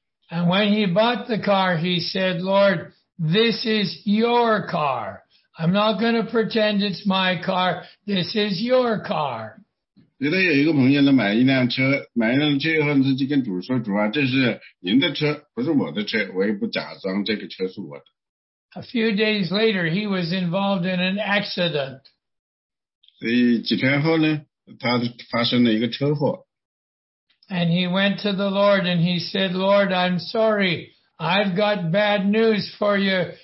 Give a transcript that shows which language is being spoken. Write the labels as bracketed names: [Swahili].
[English] And when he bought the car, he said, Lord, this is your car. I'm not going to pretend it's my car. This is your car. [Chinese] 有的有一个朋友呢，买一辆车，买一辆车以后呢，就跟主说：“主啊，这是您的车，不是我的车，我也不假装这个车是我的。” [English] A few days later, he was involved in an accident. [Chinese] 所以几天后呢，他发生了一个车祸。 [English] And he went to the Lord and he said, Lord, I'm sorry, I've got bad news for you.